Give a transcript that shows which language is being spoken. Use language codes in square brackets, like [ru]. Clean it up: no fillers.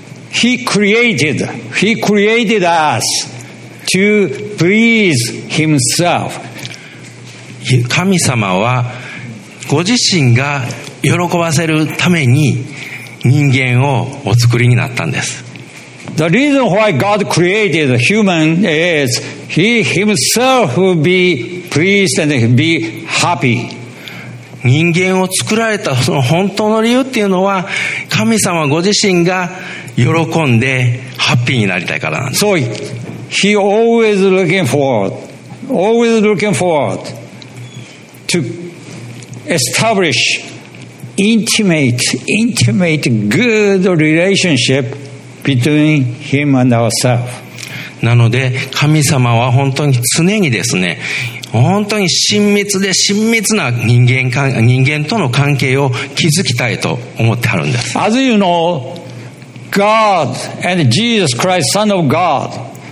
[en] He created us. To please himself. [ja] 神様はご自身が喜ばせるために人間をお作りになったんです。 [en] The reason why God created a human is he himself will be pleased and be happy. [ja] 人間を作られたその本当の理由っていうのは神様ご自身が喜んでハッピーになりたいからなんです。 [en] He always looking forward, always looking forward to establish intimate good relationship between him and ourselves. [ja] なので神様は本当に常にですね、本当に親密な人間との関係を築きたいと思ってあるんです。 [en] As you know, God and Jesus Christ, Son of God.